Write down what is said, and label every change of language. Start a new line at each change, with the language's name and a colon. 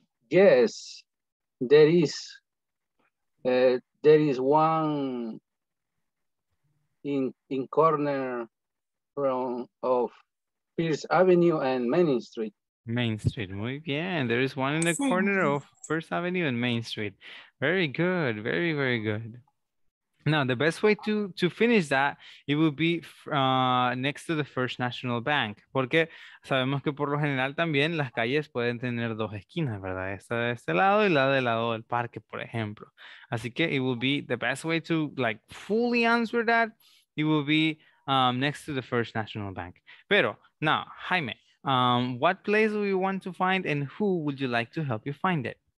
English: Yes, there is one in corner from of Pierce Avenue and Main Street. Main Street,
Spanish: muy bien.
English: There is one in the corner of First Avenue and Main Street. Very good, very, very good. Now, the best way to finish that, it will be next to the First National Bank.
Spanish: Porque sabemos que por lo general también las calles pueden tener dos esquinas, ¿verdad? Esta de este lado y la del lado del parque, por ejemplo.
English: Así que it will be the best way to like fully answer that, it will be next to the First National Bank. Pero, now, Jaime, what place do you want to find and who would you like to help you find it?